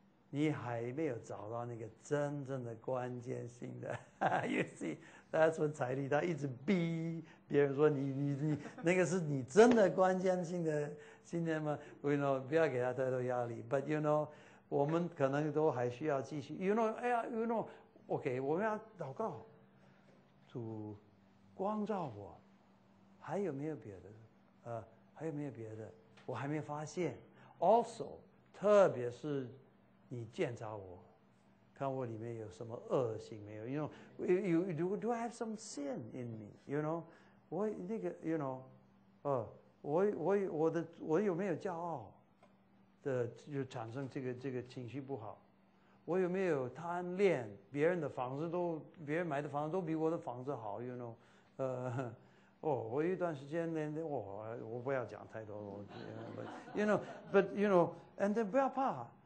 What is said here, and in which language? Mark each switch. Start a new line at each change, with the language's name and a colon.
Chinese: 你还没有找到那个真正的关键性的，
English: You see， that's what
Chinese: 财力他一直逼别人说你那个是你真的关键性的信念吗 ？
English: You know，
Chinese: 不要给他太多压力。
English: But you know，
Chinese: 我们可能都还需要继续。
English: You know，
Chinese: 哎呀 ，You know， OK， 我们要祷告，主光照我，还有没有别的？还有没有别的？我还没发现。
English: Also，
Chinese: 特别是。你检查我，看我里面有什么恶行没有 ？
English: You know, do I have some sin in me? You know,
Chinese: 我那个 ，You know, 我有没有骄傲的，就产生这个情绪不好？我有没有贪恋别人的房子都，别人买的房子都比我的房子好 ？
English: You know,
Chinese: 我有一段时间连我不要讲太多了 ，
English: but you know, and then
Chinese: 不要怕。